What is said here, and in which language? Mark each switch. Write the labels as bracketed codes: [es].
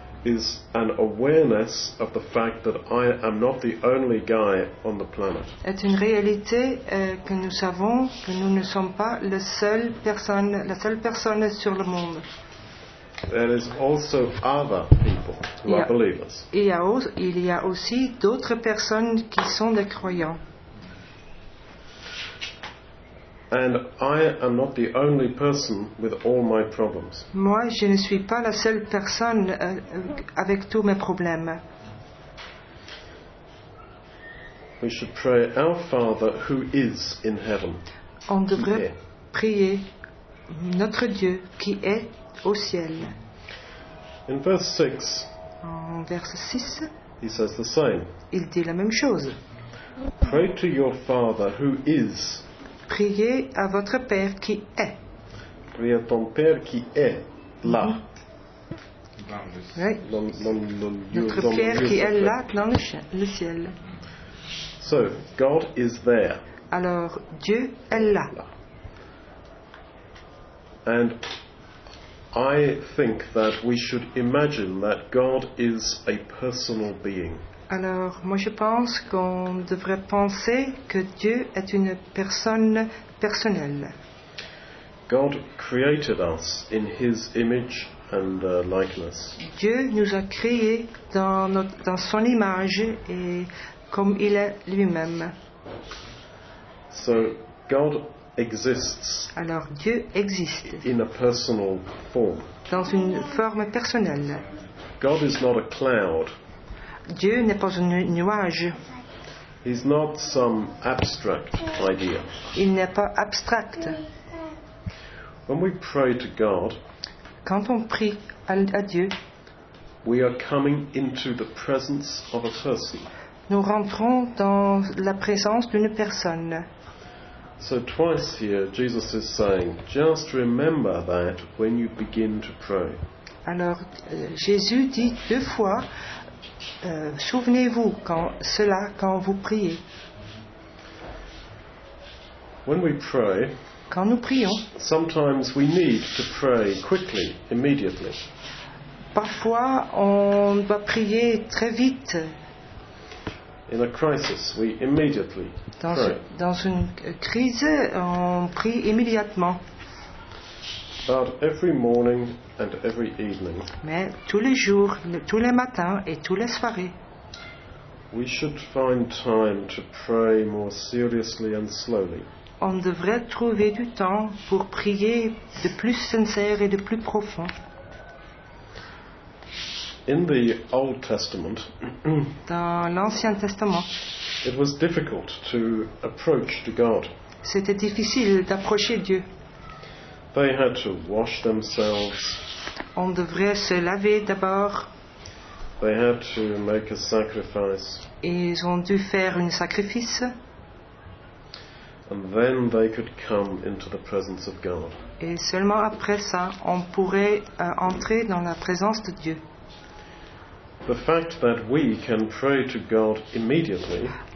[en] Is an awareness of the fact that I am not the only guy on the planet. [fr] Est une réalité que nous savons que nous ne sommes pas la seule personne sur le monde. [en] There is also other people who are believers. [fr] Il y a aussi d'autres personnes qui sont des croyants. [en] And I am not the only person with all my problems. [fr] Moi, je ne suis pas la seule personne avec tous mes problèmes. [en] We should pray our Father who is in heaven. [fr] On devrait prier notre Dieu qui est au ciel. [en] In verse 6. [fr] En verset 6. [en] He says the same. [fr] Il dit la même chose. [en] Pray to your Father who is. [fr] Priez à votre Père qui est. Priez à ton Père qui est là. Oui. Notre Père qui est là dans le ciel. [en] So, God is there. [fr] Alors, Dieu est là. [en] And I think that we should imagine that God is a personal being. [fr] Alors, moi je pense qu'on devrait penser que Dieu est une personne personnelle. [en] God created us in his image and likeness. [fr] Dieu nous a créés dans dans son image et comme il est lui-même. [en] So God exists. [fr] Alors Dieu existe. [en] In a personal form. [fr] Dans une forme personnelle. [en] God is not a cloud. [fr] Dieu n'est pas un nuage. [en] He's not some abstract idea. [fr] Il n'est pas abstract. [en] When we pray to God, [fr] quand on prie à Dieu, [en] we are coming into the presence of a person. [fr] Nous rentrons dans la présence d'une personne. [en] So twice here, Jesus is saying, just remember that when you begin to pray. [fr] Alors, Jésus dit deux fois, souvenez-vous quand vous priez. [en] When we pray, [fr] quand nous prions, [en] sometimes we need to pray quickly, immediately. [fr] Parfois, on doit prier très vite. [en] In a crisis, we immediately pray. [fr] Dans une crise, on prie immédiatement. [en] But every morning and every evening. [fr] Mais tous les jours, tous les matins et tous les soirées. [en] We should find time to pray more seriously and slowly. [fr] On devrait trouver du temps pour prier de plus sincère et de plus profond. [en] In the Old Testament, [fr] dans l'Ancien Testament, [en] it was difficult to approach to God. [fr] C'était difficile d'approcher Dieu. [en] They had to wash themselves. [fr] On devrait se laver d'abord. [en] They had to make a sacrifice. [fr] Ils ont dû faire un sacrifice. [en] And then they could come into the presence of God. [fr] Et seulement après ça, on pourrait entrer dans la présence de Dieu. [en] The fact that we can pray to God immediately.